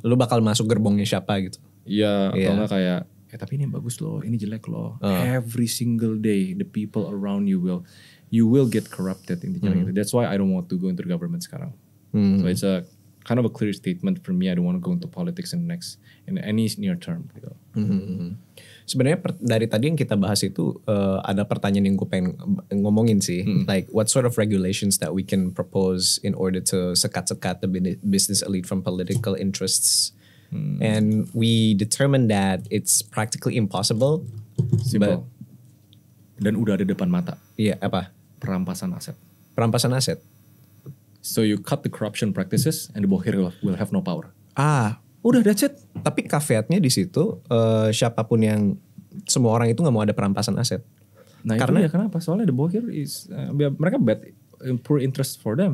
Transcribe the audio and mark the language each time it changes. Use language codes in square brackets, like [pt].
[id] Lu bakal masuk gerbongnya siapa gitu. Iya, atau gak kayak, tapi ini bagus loh, ini jelek loh. [en] Every single day, the people around you will get corrupted. [id] Intinya gitu. [en] That's why I don't want to go into the government [id] sekarang. [en] So it's a kind of a clear statement for me. I don't want to go into politics in any near term. [id] Gitu. Sebenarnya dari tadi yang kita bahas itu ada pertanyaan yang gue pengen ngomongin sih. [en] Like what sort of regulations that we can propose in order to [id] sekat-sekat [en] the business elite from political interests? And we determined that it's practically impossible. Simple. But, [id] dan udah ada depan mata. Iya, apa? Perampasan aset. Perampasan aset. [en] So you cut the corruption practices and the Bohir will have no power. Ah, [id] udah [en] that's it. [id] Tapi caveatnya di situ siapapun yang semua orang itu nggak mau ada perampasan aset. Nah karena, itu ya kenapa? Soalnya [en] the bohir is [id] mereka [en] bad poor interest for them.